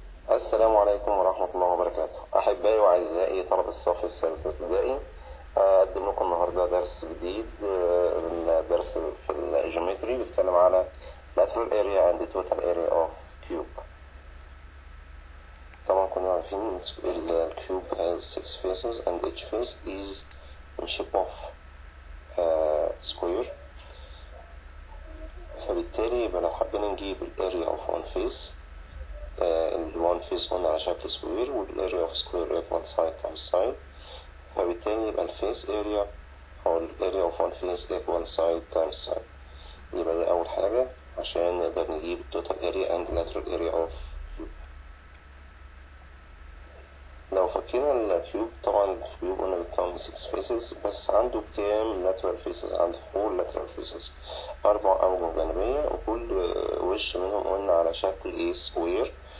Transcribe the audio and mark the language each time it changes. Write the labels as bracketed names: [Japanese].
[Arabic] السلام عليكم ورحمة الله وبركاته. أحبائي وأعزائي طلب الصف السادس الابتدائي، أقدم لكم النهاردة درس جديد، درس في الجيومتري بيتكلم على [English] lateral area and total area of cube. [Arabic] طبعا كنا عارفين الكيوب [English] has 6 faces and each face is in shape of square، [Arabic] فبالتالي يبقى لو حبينا نجيب الاريا اوف [English] one face، الone face [Arabic] هنا على شكل [English] square والarea of square equal side times side، [Arabic] فبالتالي يبقى [English] الface area أو الarea of one face equal side times side. [Arabic] يبقى دي أول حاجة عشان نقدر نجيب [English] total area and lateral area of cube. [Arabic] لو فكينا الكيوب، طبعا الكيوب هنا بيتكون من 6 faces، بس عنده كام lateral faces؟ عنده 4 lateral faces، أربع أوجه جانبية، وكل وش منهم قلنا على شكل إيه؟ square.